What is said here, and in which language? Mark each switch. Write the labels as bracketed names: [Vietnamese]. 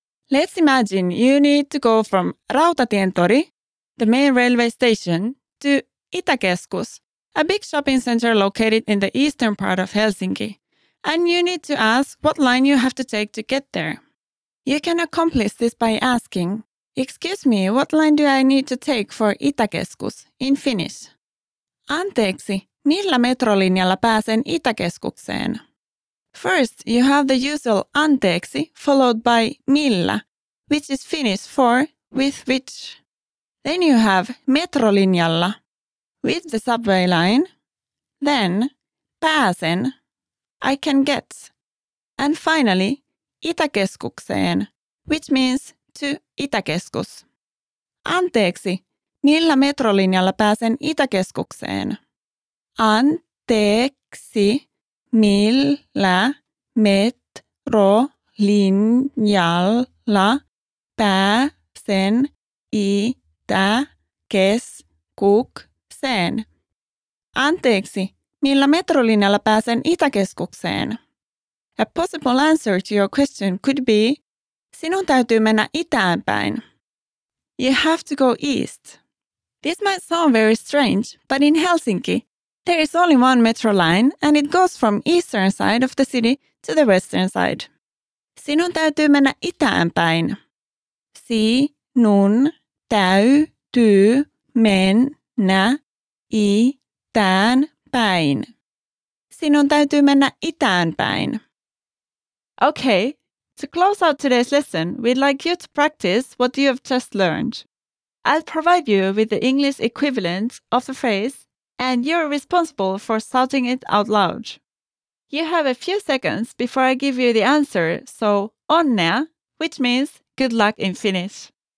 [English] Let's imagine you need to go from Rautatientori, the main railway station, to Itäkeskus, a big shopping center located in the eastern part of Helsinki. And you need to ask what line you have to take to get there. You can accomplish this by asking, "Excuse me, what line do I need to take for Itäkeskus?" in Finnish. [Finnish] Anteeksi. Millä metrolinjalla pääsen Itäkeskukseen? [English] First, you have the usual anteeksi followed by millä, which is Finnish for with which. Then you have metrolinjalla, with the subway line. Then pääsen, I can get. And finally, Itäkeskukseen, which means to Itäkeskus. [Finnish] Anteeksi, millä metrolinjalla pääsen Itäkeskukseen? Anteeksi, millä metrolinjalla pääsen Itäkeskukseen? Anteeksi, millä metrolinjalla pääsen Itäkeskukseen? [English] A possible answer to your question could be, [Finnish] sinun täytyy mennä itään päin. [English] You have to go east. This might sound very strange, but in Helsinki, there is only one metro line and it goes from eastern side of the city to the western side. [Finnish] Sinun täytyy mennä itään päin. Sinun täytyy mennä itään päin. Sinun täytyy mennä itään päin. [English] Okay, to close out today's lesson, we'd like you to practice what you have just learned. I'll provide you with the English equivalent of the phrase, and you're responsible for shouting it out loud. You have a few seconds before I give you the answer, so onnea, which means good luck in Finnish.